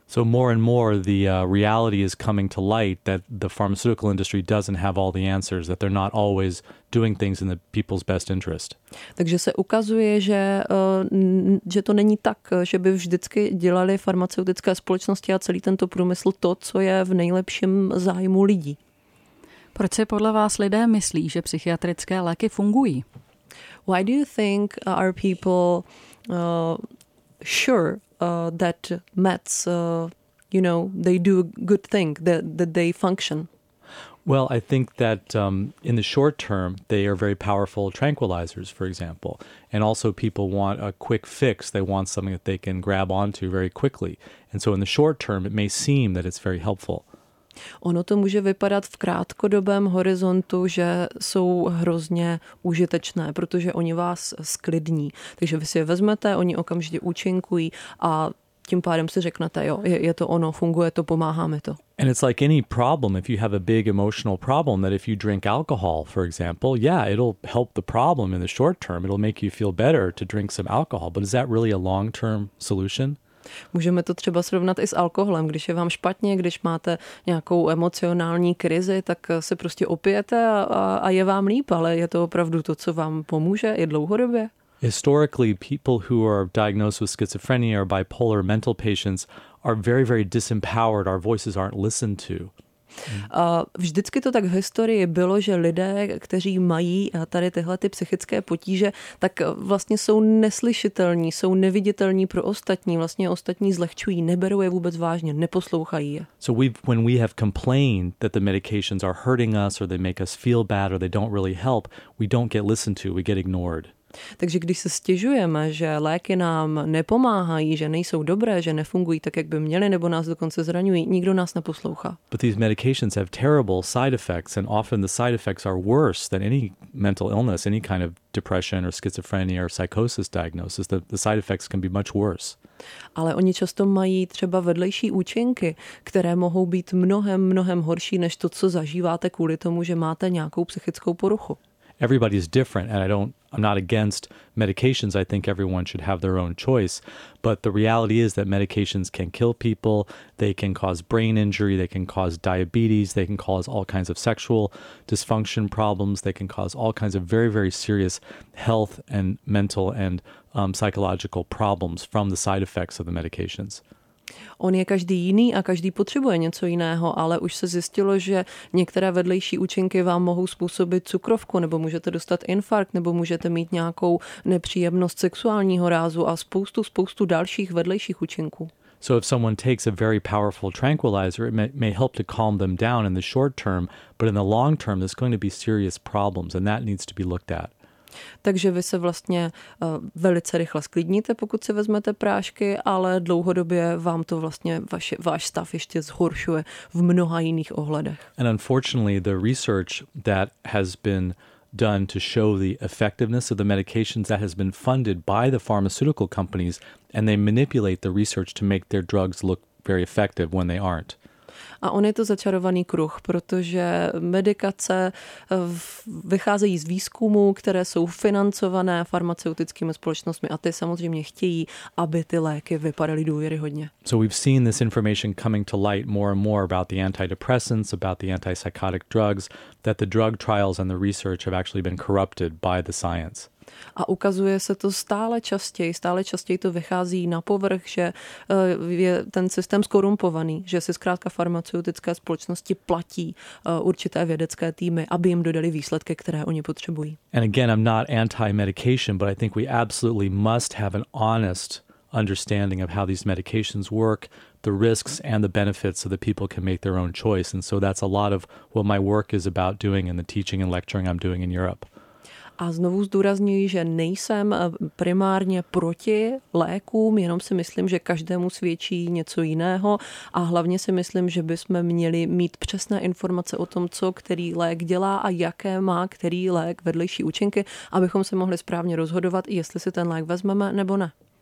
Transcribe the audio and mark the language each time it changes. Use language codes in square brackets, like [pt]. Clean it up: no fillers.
[en] So more and more the reality is coming to light that the pharmaceutical industry doesn't have all the answers, that they're not always doing things in the people's best interest. [cs] Takže se ukazuje, že to není tak, že by vždycky dělali farmaceutické společnosti a celý tento průmysl to, co je v nejlepším zájmu lidí. Proč se podle vás lidé myslí, že psychiatrické léky fungují? [en] Why do you think are people sure that meds you know, they do a good thing, that they function? Well, I think that in the short term, they are very powerful tranquilizers, for example. And also people want a quick fix. They want something that they can grab onto very quickly. And so in the short term, it may seem that it's very helpful. [cs] Ono to může vypadat v krátkodobém horizontu, že jsou hrozně užitečné, protože oni vás sklidní. Takže vy si je vezmete, oni okamžitě účinkují a tím pádem si řeknete, jo, je to ono, funguje to, pomáhá mi to. [en] And it's like any problem, if you have a big emotional problem, that if you drink alcohol, for example, yeah, it'll help the problem in the short term, it'll make you feel better to drink some alcohol, but is that really a long-term solution? [cs] Můžeme to třeba srovnat i s alkoholem. Když je vám špatně, když máte nějakou emocionální krizi, tak se prostě opijete a je vám líp, ale je to opravdu to, co vám pomůže i dlouhodobě? [en] Historically, people who are diagnosed with schizophrenia or bipolar mental patients are very, very disempowered. Our voices aren't listened to. [cs] Vždycky to tak v historii bylo, že lidé, kteří mají tady tyhle ty psychické potíže, tak vlastně jsou neslyšitelní, jsou neviditelní pro ostatní, vlastně ostatní zlehčují, neberou je vůbec vážně, neposlouchají je. [en] So when we have complained that the medications are hurting us or they make us feel bad or they don't really help, we don't get listened to, we get ignored. [cs] Takže když se stěžujeme, že léky nám nepomáhají, že nejsou dobré, že nefungují tak, jak by měly, nebo nás dokonce zraňují, nikdo nás neposlouchá. [en] But these medications have terrible side effects, and often the side effects are worse than any mental illness, any kind of depression or schizophrenia or psychosis diagnosis. The side effects can be much worse. [cs] Ale oni často mají třeba vedlejší účinky, které mohou být mnohem, mnohem horší než to, co zažíváte kvůli tomu, že máte nějakou psychickou poruchu. [en] Everybody is different, and I'm not against medications. I think everyone should have their own choice. But the reality is that medications can kill people. They can cause brain injury. They can cause diabetes. They can cause all kinds of sexual dysfunction problems. They can cause all kinds of very, very serious health and mental and psychological problems from the side effects of the medications. [cs] On je každý jiný a každý potřebuje něco jiného, ale už se zjistilo, že některé vedlejší účinky vám mohou způsobit cukrovku, nebo můžete dostat infarkt, nebo můžete mít nějakou nepříjemnost sexuálního rázu a spoustu dalších vedlejších účinků. [en] So if someone takes a very powerful tranquilizer, it may help to calm them down in the short term, but in the long term there's going to be serious problems and that needs to be looked at. [cs] Takže vy se vlastně velice rychle sklidníte, pokud si vezmete prášky, ale dlouhodobě vám to vlastně váš stav ještě zhoršuje v mnoha jiných ohledech. [en] And unfortunately, the research that has been done to show the effectiveness of the medications that has been funded by the pharmaceutical companies, and they manipulate the research to make their drugs look very effective when they aren't. [cs] A on je to začarovaný kruh, protože medikace vycházejí z výzkumu, které jsou financované farmaceutickými společnostmi a ty samozřejmě chtějí, aby ty léky vypadaly důvěryhodně. [en] So we've seen this information coming to light more and more about the antidepressants, about the antipsychotic drugs, that the drug trials and the research have actually been corrupted by the science. [cs] A ukazuje se to stále častěji to vychází na povrch, že je ten systém zkorumpovaný, že si zkrátka farmaceutické společnosti platí určité vědecké týmy, aby jim dodali výsledky, které oni potřebují. [en] And again, I'm not anti-medication, but I think we absolutely must have an honest understanding of how these medications work, the risks and the benefits, so that people can make their own choice. And so that's a lot of what my work is about doing and the teaching and lecturing I'm doing in Europe. [cs] A znovu zdůrazňuji, že nejsem primárně proti lékům, jenom si myslím, že každému svědčí něco jiného a hlavně si myslím, že bychom měli mít přesné informace o tom, co který lék dělá a jaké má který lék vedlejší účinky, abychom se mohli správně rozhodovat, jestli si ten lék vezmeme nebo ne.